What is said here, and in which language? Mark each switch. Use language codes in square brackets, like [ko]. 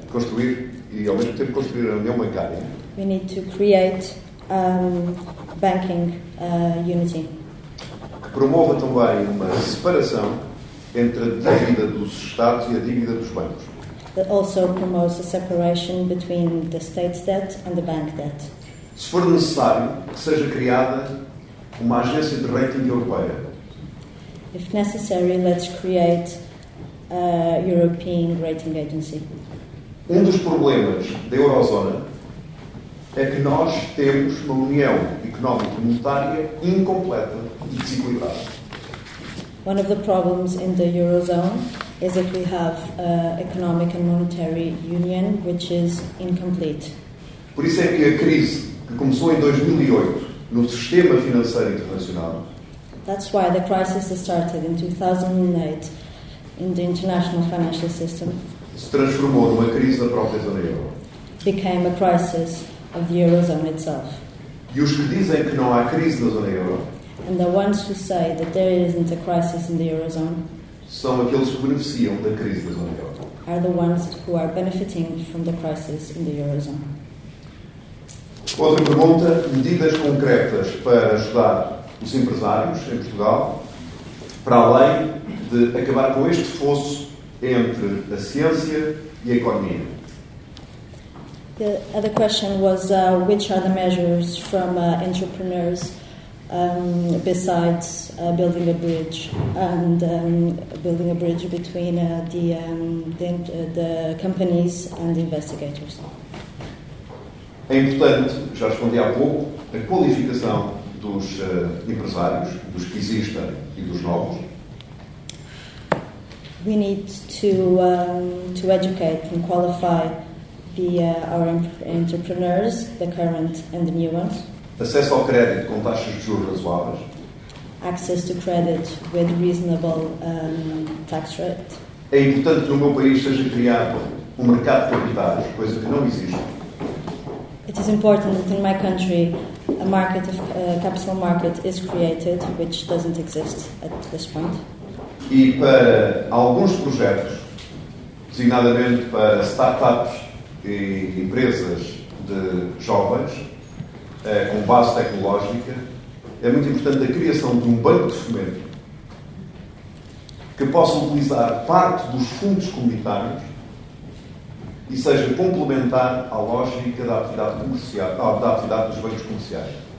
[pt] Construir e ao mesmo tempo construir a União Bancária. [en] We need to create banking unity. [pt] Que promova também uma separação entre a dívida dos Estados e a dívida dos bancos. [en] That also promotes a separation between the state debt and the bank debt. [pt] Se for necessário, que seja criada uma agência de rating europeia. [en] If necessary, let's create a European rating agency. [pt] Um dos problemas da Eurozona é que nós temos uma união económica e monetária incompleta e desequilibrada. [en] One of the problems in the Eurozone is that we have an economic and monetary union which is incomplete. [pt] Por isso é que a crise que começou em 2008 no sistema financeiro internacional. [en] That's why the crisis that started in 2008 in the international financial system [pt] se transformou numa crise da própria zona euro. [en] Became a crisis of the Eurozone itself. [pt] E os que dizem que não há crise na zona euro, [en] and the ones who say that there isn't a crisis in the Eurozone, [pt] são aqueles que beneficiam da crise da zona euro. [en] Are the ones who are benefiting from the crisis in the Eurozone. [pt] Outra pergunta, medidas concretas para ajudar os empresários em Portugal, para além de acabar com este fosso entre a ciência e a economia. [en] The other question was which are the measures from entrepreneurs besides building a bridge and building a bridge between the companies and the investigators. [pt] É importante, já respondi há pouco, a qualificação dos empresários, dos que existem e dos novos. [en] We need to educate and qualify our entrepreneurs, the current and the new ones. [pt] Acesso ao crédito com taxas de juros razoáveis. [en] Access to credit with reasonable tax rate. [pt] É importante que no meu país seja criado um mercado de capitais, coisa que não existe. [en] It is important that in my country a market, a capital market is created, which doesn't exist at this point. [pt] e para alguns projetos, designadamente para startups e empresas de jovens, com base tecnológica, é muito importante a criação de um banco de fomento que possa utilizar parte dos fundos comunitários e seja complementar à lógica da atividade comercial, da atividade dos bancos comerciais.